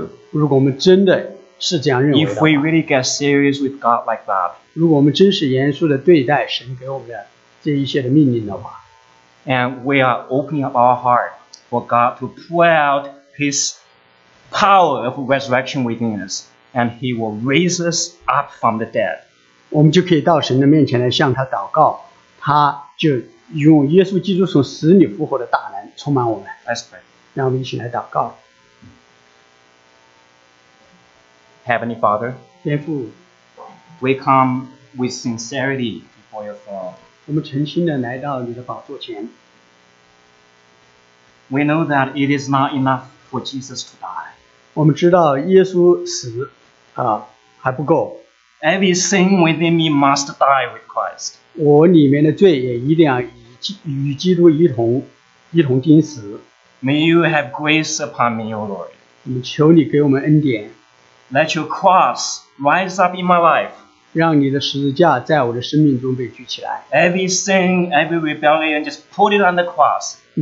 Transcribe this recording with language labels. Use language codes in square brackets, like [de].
[zh] 如果我们真的是这样认为的， [en] If we really get serious with God like that, [zh] 如果我们真是严肃的对待神给我们的这一切的命令的话， [en] And we are opening up our heart for God to pour out His power of resurrection within us, and He will raise us up from the dead. [zh] 我们就可以到神的面前来向他祷告，他就用耶稣基督从死里复活的大能充满我们。 [en] Let's pray. [zh] 让我们一起来祷告。 [en] Heavenly Father, [zh] 天父， [en] we come with sincerity before your throne. [zh] 我们诚心地来到你的宝座前。 [en] We know that it is not enough for Jesus to die. [zh] 我们知道耶稣死还不够。 [en] Every sin within me must die with Christ. [zh] 我里面的罪也一定要与基督一同钉死。 [en] May you have grace upon me, O Lord. [zh] 我们求你给我们恩典。 [en] Let your cross rise up in my life. [zh] 让你的十字架在我的生命中被举起来。 [en] Every sin, every rebellion, just put it on the cross.